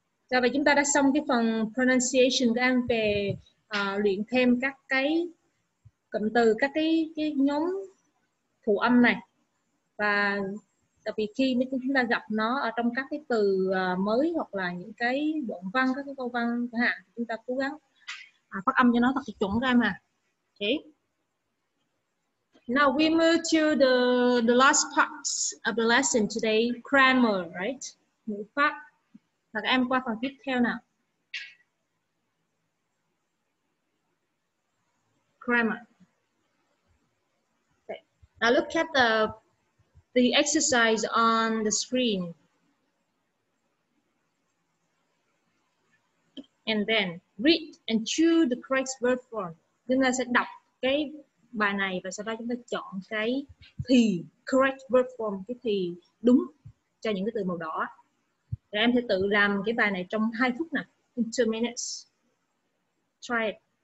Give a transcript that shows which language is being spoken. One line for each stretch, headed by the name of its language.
Vietnamese: Rồi vậy chúng ta đã xong cái phần pronunciation của em về luyện thêm các cái cụm từ, các cái nhóm thủ âm này. Và đặc biệt khi chúng ta gặp nó ở trong các cái từ mới hoặc là những cái đoạn văn, các cái câu văn chẳng hạn, chúng ta cố gắng phát âm cho nó thật chuẩn ra mà. Okay.
English: Now we move to the last part of the lesson today, grammar, right?
Vietnamese: Ngữ pháp. Và các em qua phần tiếp theo nào.
English: Grammar. Okay. Now look at the exercise on the screen. And then read and choose the correct verb form.
Vietnamese: Chúng ta sẽ đọc cái bài này và sau đó chúng ta chọn cái thì,
English: correct verb form,
Vietnamese: cái thì đúng cho những cái từ màu đỏ. Thì em sẽ tự làm cái bài này trong 2 phút nào.
English: In 2 minutes. Try it.